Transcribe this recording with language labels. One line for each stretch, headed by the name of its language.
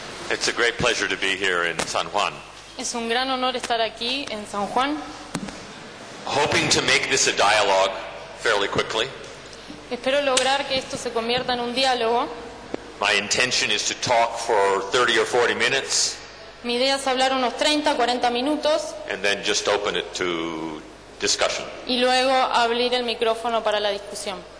English: It's a great pleasure to be here in San Juan.
Spanish: Es un gran honor estar aquí en San Juan.
English: Hoping to make this a dialogue fairly quickly.
Spanish: Espero lograr que esto se convierta en un diálogo.
English: My intention is to talk for 30 or 40 minutes.
Spanish: Mi idea es hablar unos 30 o 40 minutos.
English: And then just open it to discussion.
Spanish: Y luego abrir el micrófono para la discusión.